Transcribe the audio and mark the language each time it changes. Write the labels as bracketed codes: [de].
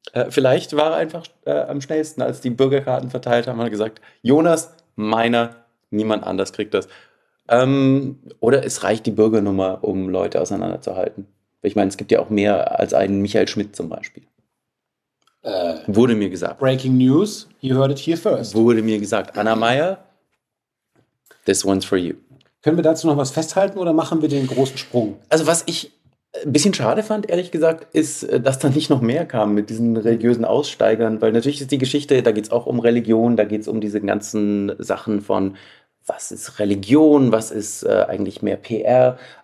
[de] Vielleicht war er einfach am schnellsten, als die Bürgerkarten verteilt haben, hat er gesagt, Jonas, meiner, niemand anders kriegt das. Oder es reicht die Bürgernummer, um Leute auseinanderzuhalten. Ich meine, es gibt ja auch mehr als einen Michael Schmidt zum Beispiel. Wurde mir gesagt. [en] Breaking news, you heard it here first. [de] Wurde mir gesagt. [en] Anna Meyer, this one's for you. [de] Können wir dazu noch was festhalten oder machen wir den großen Sprung? Also was ich ein bisschen schade fand, ehrlich gesagt, ist, dass da nicht noch mehr kam mit diesen religiösen Aussteigern. Weil natürlich ist die Geschichte, da geht es auch um Religion, da geht es um diese ganzen Sachen von was ist Religion, was ist eigentlich mehr PR.